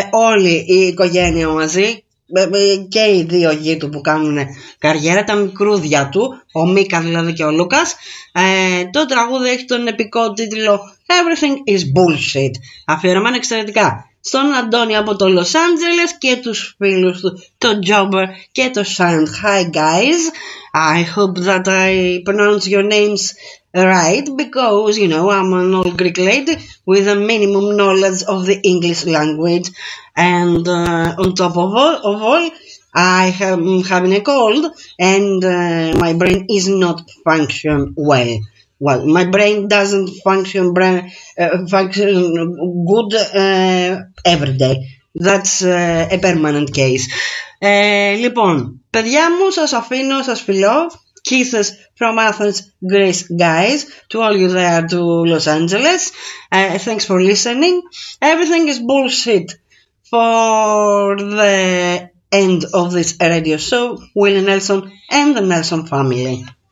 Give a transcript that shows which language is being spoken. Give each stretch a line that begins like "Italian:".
Greek: Όλη η οικογένεια μαζί. Και οι δύο γη του που κάνουν καριέρα, τα μικρούδια του, ο Μίκα δηλαδή και ο Λούκας. Το τραγούδι έχει τον επικό τίτλο Everything is Bullshit, αφιερωμένο εξαιρετικά στον Αντώνη από το Los Angeles και τους φίλους του, τον Jobber και το Sand.
English: Hi guys, I hope that I pronounce your names right, because, you know, I'm an old Greek lady with a minimum knowledge of the English language. And on top of all, I am having a cold and my brain is not function well. Well, my brain doesn't function good every day. That's a permanent case.
Greek: Λοιπόν, παιδιά μου, σας αφήνω, σας φιλώ.
English: Kisses from Athens, Greece, guys, to all you there to Los Angeles. Thanks for listening. Everything is bullshit for the end of this radio show. Willie Nelson and the Nelson family.